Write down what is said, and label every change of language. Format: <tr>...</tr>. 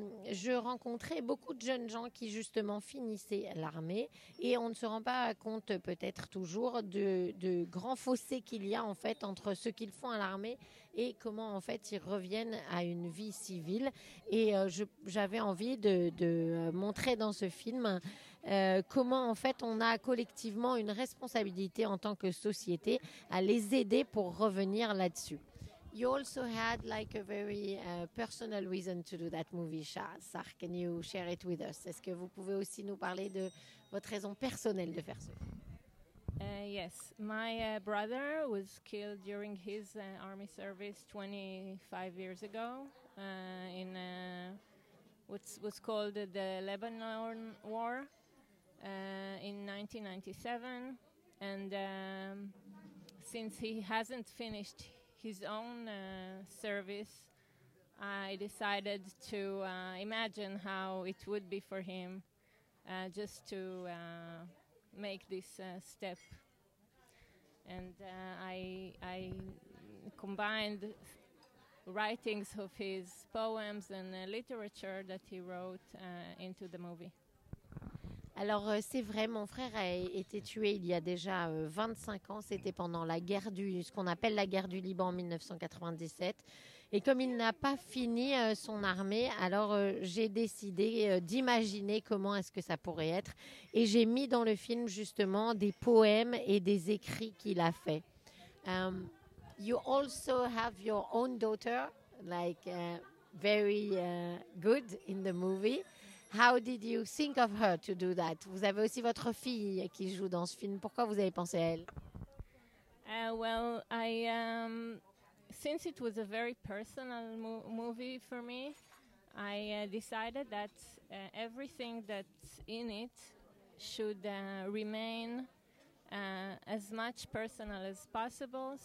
<fr>je rencontrais beaucoup de jeunes gens qui justement finissaient l'armée et on ne se rend pas compte peut-être toujours de grands fossés qu'il y a en fait entre ce qu'ils font à l'armée et comment en fait ils reviennent à une vie civile et j'avais envie de montrer dans ce film comment en fait on a collectivement une responsabilité en tant que société à les aider pour revenir là-dessus.</fr> <en>You also had like a very personal reason to do that movie, Sarah. Can you share it with us?</en> <fr>Est-ce que vous pouvez aussi nous parler de votre raison personnelle de faire ça?</fr> <en>Yes, my brother was killed during his army service 25 years ago in what's called the Lebanon War in 1997. And since he hasn't finished his own service, I decided to imagine how it would be for him just to make this step. And I combined writings of his poems and literature that he wrote into the movie.</en> <fr>Alors, c'est vrai, mon frère a été tué il y a déjà 25 ans. C'était pendant la guerre du, ce qu'on appelle la guerre du Liban en 1997. Et comme il n'a pas fini son armée, alors j'ai décidé d'imaginer comment est-ce que ça pourrait être. Et j'ai mis dans le film, justement, des poèmes et des écrits qu'il a fait.</fr> <en>You also have your own daughter, like very good in the movie. How did you think of her to do that?</en> <fr>Vous avez aussi votre fille qui joue dans ce film. Pourquoi vous avez pensé à elle?</fr> <en>Well, I since it was a very personal movie for me, I decided that everything that's in it should remain as much personal as possible.</en>